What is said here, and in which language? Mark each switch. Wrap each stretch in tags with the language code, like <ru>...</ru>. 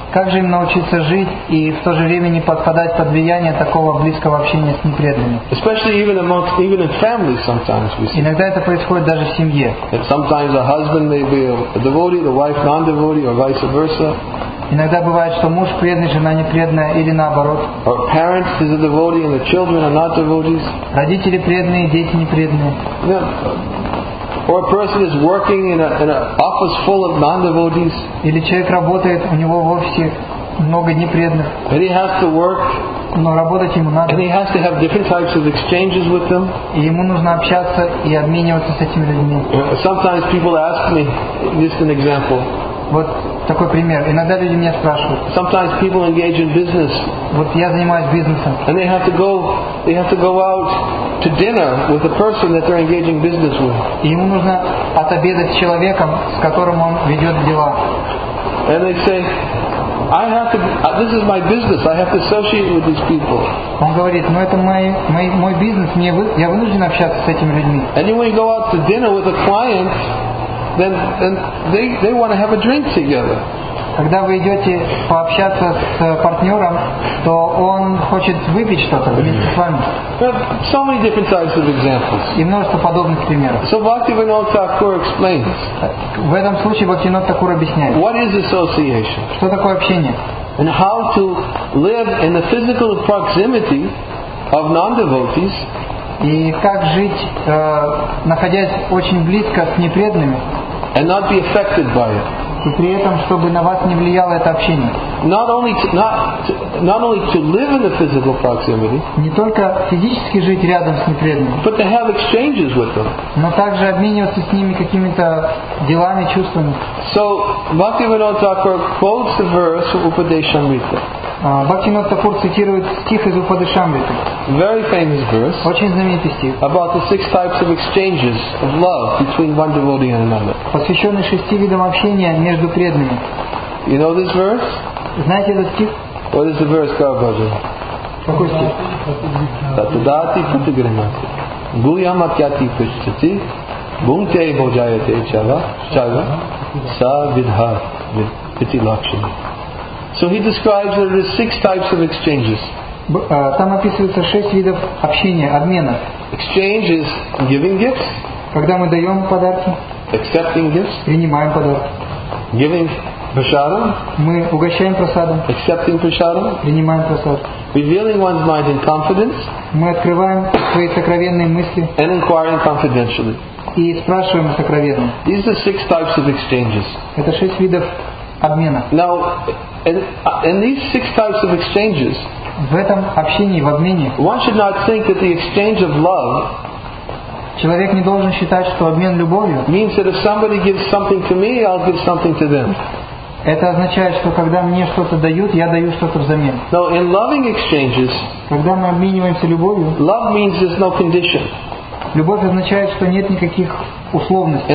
<ru>Как же им научиться жить и в то же время не подпадать под влияние такого близкого общения с непреданными?</ru> <en>Especially even amongst, even in family sometimes we see.</en> <ru>Иногда это происходит даже в семье.</ru> <en>And sometimes a husband may be a devotee, the wife non-devotee, or vice versa.</en> <ru>Иногда бывает, что муж преданный, жена непреданная, или наоборот.</ru> <en>Or parents is a devotee and the children are not devotees.</en> <ru>Родители преданные, дети непреданные.</ru> <en>Yeah. Or a person is working in an office full of non-devotees.</en> <ru>Или человек работает, у него в офисе много непреданных.</ru> <en>And he has to work.</en> <ru>Но работать ему надо.</ru> <en>And he has to have different types of exchanges with them.</en> <ru>И ему нужно общаться и обмениваться с этими людьми.</ru> <en>Sometimes people ask me, just an example.</en> <ru>Вот такой пример. Иногда люди меня спрашивают.</ru> <en>Sometimes people engage in business.</en> <ru>Вот я занимаюсь бизнесом.</ru> <en>And they have to go out to dinner with the person that they're engaging business with.</en> <ru>И ему нужно отобедать с человеком, с которым он ведет дела.</ru> <en>And they say, I have to. This is my business. I have to associate with these people.</en> <ru>Он говорит, ну это мой бизнес. Я вынужден общаться с этими людьми.</ru> <en>And when you go out to dinner with a client, then they want to have a drink together.</en> <ru>Когда вы идете пообщаться с партнером, то он хочет выпить что-то вместе с вами.</ru> <en>So many different types of examples.</en> <ru>И множество подобных примеров.</ru> <en>So Bhaktivinoda Thakur explains.</en> <ru>В этом случае Бхактивинода Такур объясняет.</ru> <en>What is association?</en> <ru>Что такое общение?</ru> <en>And how to live in the physical proximity of non-devotees.</en> <ru>И как жить, находясь очень близко с непреданными.</ru> <en>And not be affected by it.</en> <ru>И при этом, чтобы на вас не влияло это общение.</ru> <en>Not only to live in the physical proximity,</en> <ru>не только физически жить рядом с непреданными,</ru> <en>but to have exchanges with them.</en> <ru>Но также обмениваться с ними какими-то делами, чувствами.</ru> <en>So, Bhaktivinoda Thakur quotes the verse of Upadeshamrita.</en> <ru>Бхактивинода Такур цитирует стих из Упадешамриты.</ru> <en>Very famous verse.</en> <ru>Очень знаменитый стих.</ru> <en>About the six types of exchanges of love between one devotee and another.</en> <ru>Посвященный шести видам общения между преданными.</ru> <en>You know this verse?</en> <ru>Знаете этот стих?</ru> <en>What is the verse, Карабаджа?</en> <ru>Какой стих?</ru> <sa>Татудати патигринати. Гуямакяти пишчати. Бунте боджаяте чага. Чага. Са видха. Пити лакшини.</sa> <en>So he describes that there are six types of exchanges.</en> <ru>Там описывается шесть видов общения, обмена.</ru> <en>Exchange is giving gifts.</en> <ru>Когда мы даем подарки.</ru> <en>Accepting gifts.</en> <ru>Принимаем подарки.</ru> <en>Giving prasadam.</en> <ru>Мы угощаем прасадом.</ru> <en>Accepting prasadam.</en> <ru>Принимаем прасад.</ru> <en>Revealing one's mind in confidence.</en> <ru>Мы открываем свои сокровенные мысли.</ru> <en>And inquiring confidentially.</en> <ru>И спрашиваем сокровенно.</ru> <en>These are the six types of exchanges.</en> <ru>Это шесть видов обмена.</ru> <en>Now, in these six types of exchanges,</en> <ru>в этом общении, в обмене,</ru> <en>one should not think that the exchange of love,</en> <ru>человек не должен считать, что обмен любовью,</ru> <en>means that if somebody gives something to me, I'll give something to them.</en> <ru>Это означает, что когда мне что-то дают, я даю что-то взамен.</ru> <en>Now, in loving exchanges,</en> <ru>когда мы обмениваемся любовью,</ru> <en>love means there's no condition.</en> <ru>Любовь означает, что нет никаких условностей.</ru>